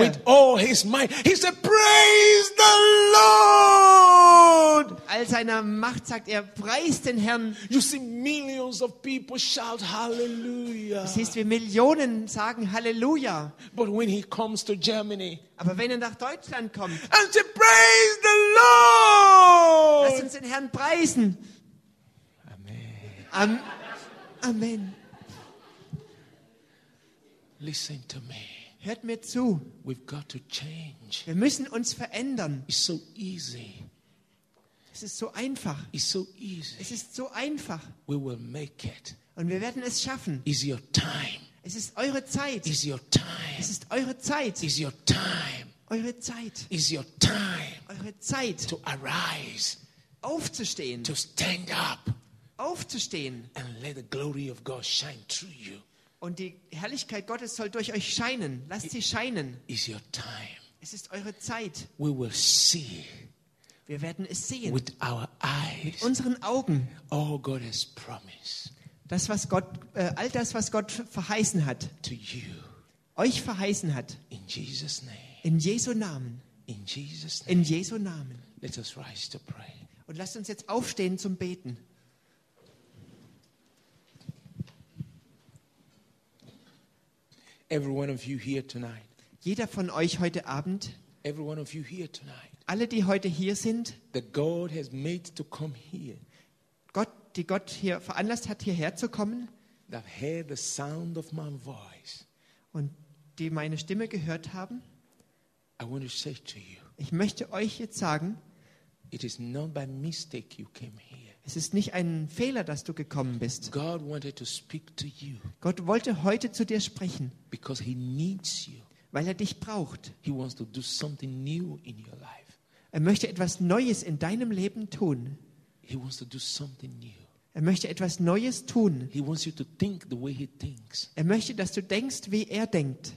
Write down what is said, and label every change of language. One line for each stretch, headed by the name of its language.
English: With all his might. He said, praise the Lord.
German: All seiner Macht sagt er, preist den Herrn.
English: You see millions of people shout hallelujah.
German: Du siehst, wie Millionen sagen Halleluja.
English: But when he comes to Germany.
German: Aber wenn er nach Deutschland kommt.
English: And say, praise the Lord.
German: Lass uns den Herrn preisen.
English: Amen.
German: Amen.
English: Listen to me.
German: Hört mir zu.
English: We've got to change.
German: Wir müssen uns verändern.
English: It's so easy.
German: Es ist so einfach.
English: It's so easy.
German: Es ist so einfach.
English: We will make it.
German: Und wir werden es schaffen.
English: It's your time.
German: Es ist eure Zeit.
English: It's your time.
German: Es ist eure Zeit.
English: It's your time.
German: Eure Zeit.
English: It's your time.
German: Eure Zeit.
English: To arise.
German: Aufzustehen.
English: To stand up.
German: Aufzustehen.
English: And let the glory of God shine through you.
German: Und die Herrlichkeit Gottes soll durch euch scheinen. Lasst sie scheinen.
English: Is your time.
German: Es ist eure Zeit.
English: We will see.
German: Wir werden es sehen.
English: With our eyes.
German: Mit unseren Augen.
English: All God has promised.
German: Das, was Gott, all das, was Gott verheißen hat.
English: To you.
German: Euch verheißen hat.
English: In Jesus' name.
German: In Jesu Namen.
English: In Jesus' name.
German: In Jesu Namen.
English: Let us rise to pray.
German: Und lasst uns jetzt aufstehen zum Beten.
English: Every one of you here tonight.
German: Jeder von euch heute Abend.
English: Every one of you here tonight.
German: Alle, die heute hier sind.
English: That God has made to come here.
German: Gott, die Gott hier veranlasst hat, hierher zu kommen.
English: That heard the sound of my voice.
German: Und die meine Stimme gehört haben.
English: I want to say to you.
German: Ich möchte euch jetzt sagen.
English: It is not by mistake you came here.
German: Es ist nicht ein Fehler, dass du gekommen bist.
English: God wanted to speak to you.
German: Gott wollte heute zu dir sprechen.
English: Because he needs you.
German: Weil er dich braucht.
English: He wants to do something new in your life.
German: Er möchte etwas Neues in deinem Leben tun.
English: He wants to do something new.
German: Er möchte etwas Neues tun.
English: He wants you to think the way he thinks.
German: Er möchte, dass du denkst, wie er denkt.